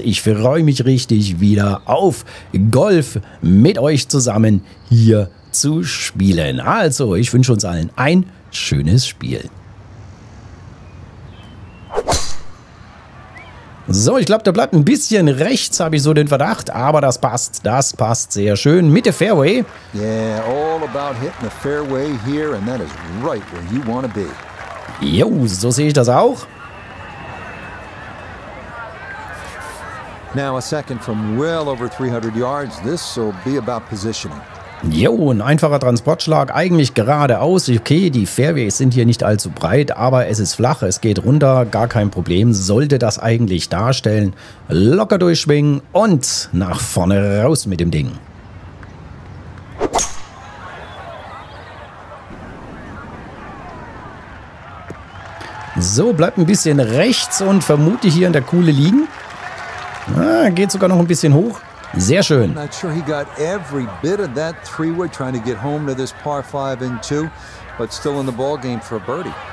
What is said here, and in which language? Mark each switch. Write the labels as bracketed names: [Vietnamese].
[German] Ich freue mich richtig wieder auf Golf mit euch zusammen hier zu spielen. Also, ich wünsche uns allen ein schönes Spiel. So, ich glaube, der bleibt ein bisschen rechts, habe ich so den Verdacht. Aber das passt. Das passt sehr schön. Mitte Fairway. [English] Yeah, all about hitting the fairway here and that is right where you want to be. [German] Jo, so sehe ich das auch. [English] Now a second from well over 300 yards. This will be about positioning. [German] Jo, ein einfacher Transportschlag, eigentlich geradeaus. Okay, die Fairways sind hier nicht allzu breit, aber es ist flach, es geht runter, gar kein Problem. Sollte das eigentlich darstellen. Locker durchschwingen und nach vorne raus mit dem Ding. So, bleibt ein bisschen rechts und vermute hier in der Kuhle liegen. Ah, geht sogar noch ein bisschen hoch. Sehr schön. [English] Not sure he got every bit of that three wood trying to get home to this par 5 and 2, but still in the ball game for a birdie.